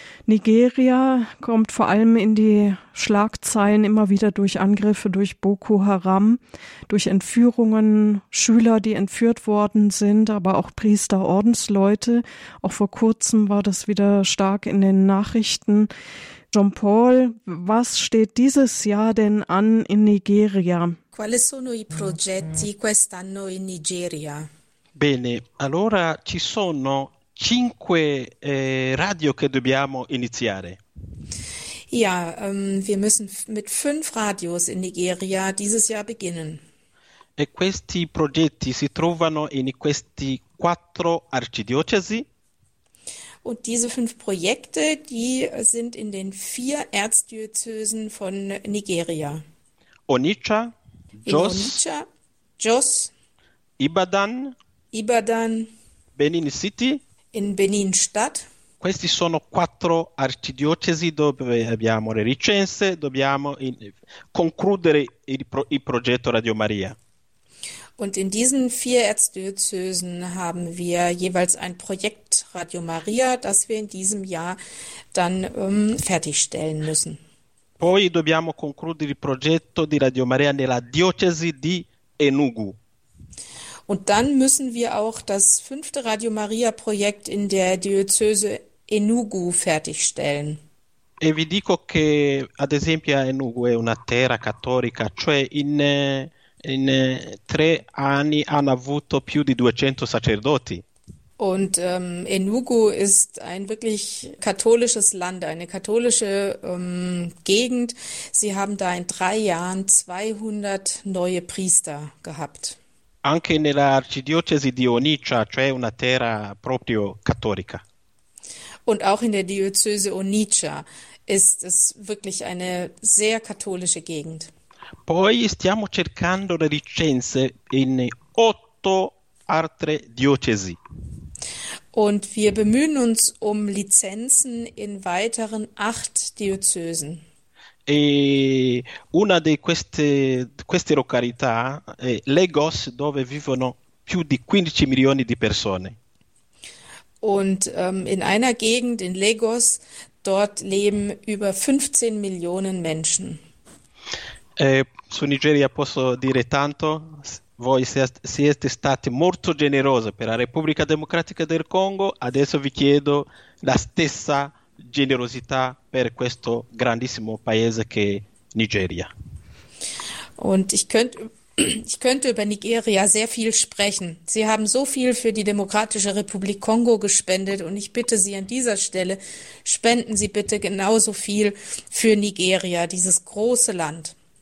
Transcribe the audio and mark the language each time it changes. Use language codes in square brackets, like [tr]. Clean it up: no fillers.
[de] Nigeria kommt vor allem in die Schlagzeilen immer wieder durch Angriffe durch Boko Haram, durch Entführungen, Schüler, die entführt worden sind, aber auch Priester, Ordensleute. Auch vor kurzem war das wieder stark in den Nachrichten. Jean-Paul, was steht dieses Jahr denn an in Nigeria? [it] Quali sono i progetti quest'anno in Nigeria? Bene, allora ci sono cinque radio che dobbiamo iniziare. [de] Wir müssen mit 5 Radios in Nigeria dieses Jahr beginnen. [it] E questi progetti si trovano in questi quattro arcidiocesi? [de] Und diese 5 Projekte, die sind in den 4 Erzdiözesen von Nigeria. [it] Onitsha, [de] In [it] Jos, [de] Onitsha, Jos, [it] Ibadan, [de] Ibadan, [it] Benin City. [de] in Benin-Stadt. [it] Questi sono quattro arcidiocesi dove abbiamo le licenze, dobbiamo concludere il progetto Radio Maria. [de] Und in diesen 4 Erzdiözesen haben wir jeweils ein Projekt Radio Maria, das wir in diesem Jahr dann fertigstellen müssen. [it] Poi dobbiamo concludere il progetto di Radio Maria nella diocesi di Enugu. [de] Und dann müssen wir auch das 5. Radio Maria-Projekt in der Diözese Enugu fertigstellen. [it] E vi dico che, ad esempio, Enugu è una terra cattolica, cioè in 3 anni hanno avuto più di 200 sacerdoti. [de] Und Enugu ist ein wirklich katholisches Land, eine katholische Gegend. Sie haben da in 3 Jahren 200 neue Priester gehabt. [it] Anche nella arcidiocesi di Onitsha, cioè una terra proprio cattolica. [de] Und auch in der Diözese Onitsha ist es wirklich eine sehr katholische Gegend. [it] Poi stiamo cercando le licenze in 8 altre diocesi. [de] Und wir bemühen uns um Lizenzen in weiteren 8 Diözesen. [it] E una di queste località è Lagos, dove vivono più di 15 milioni di persone. [de] Und in einer Gegend in Lagos, dort leben über 15 Millionen Menschen. [it] Su Nigeria posso dire tanto, voi siete stati molto generosi per la Repubblica Democratica del Congo, adesso vi chiedo la stessa generosità per questo grandissimo paese che è Nigeria. [de] Und ich könnte über Nigeria sehr viel sprechen. Sie haben so viel für die Demokratische Republik Kongo gespendet und ich bitte Sie an dieser Stelle, spenden Sie bitte genauso viel für Nigeria, dieses große Land.